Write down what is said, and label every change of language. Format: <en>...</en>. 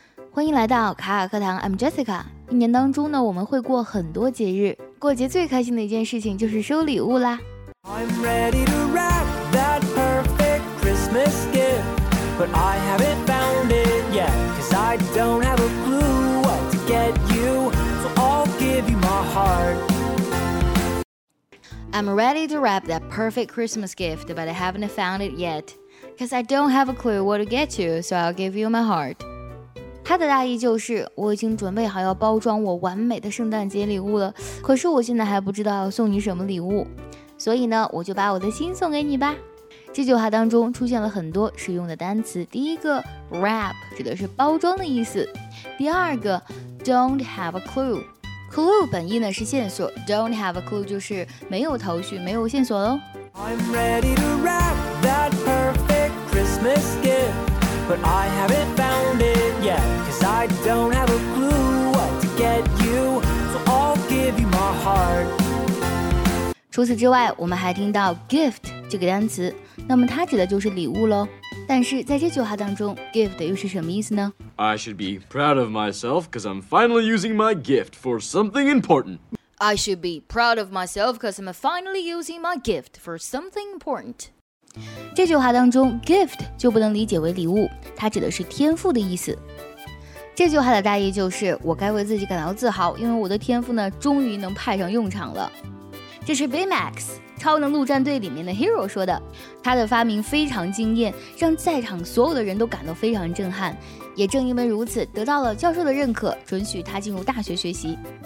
<zh>欢迎来到卡卡课堂</zh> <en>I'm Jessica。</en> <zh>一年当中呢，我们会过很多节日，过节最开心的一件事情就是收礼物啦。</zh> <en>I'm ready to wrap that perfect Christmas gift, but I haven't found it yet, cause I don't have a clue what to get you, so I'll give you my heart. I'm ready to wrap that perfect Christmas gift, but I haven't found it yet, cause I don't have a clue what to get you, so I'll give you my heart.</en> <zh>他的大意就是，我已经准备好要包装我完美的圣诞节礼物了，可是我现在还不知道要送你什么礼物，所以呢，我就把我的心送给你吧。这句话当中出现了很多实用的单词，第一个 wrap 指的是包装的意思，第二个</zh> <en>don't have a clue。</en> <zh>Clue 本意呢是线索，</zh> <en>Don't have a clue</en> <zh>就是没有头绪，没有线索喽。</zh> <en>I'm ready to wrap that perfect Christmas gift, but I haven't found it yet, cause I don't have a clue what to get you, so I'll give you my heart.</en> <zh>除此之外，我们还听到 gift 这个单词，那么它指的就是礼物喽。但是在这句话当中 gift 又是什么意思呢？</zh> <en>I should be proud of myself because I'm finally using my gift for something important. I should be proud of myself because I'm finally using my gift for something important.</en> <zh>这句话当中 gift 就不能理解为礼物，它指的是天赋的意思。这句话的大意就是，我该为自己感到自豪，因为我的天赋呢终于能派上用场了。这是 Baymax超能陆战队里面的 Hero 说的，他的发明非常惊艳，让在场所有的人都感到非常震撼，也正因为如此得到了教授的认可，准许他进入大学学习。</zh>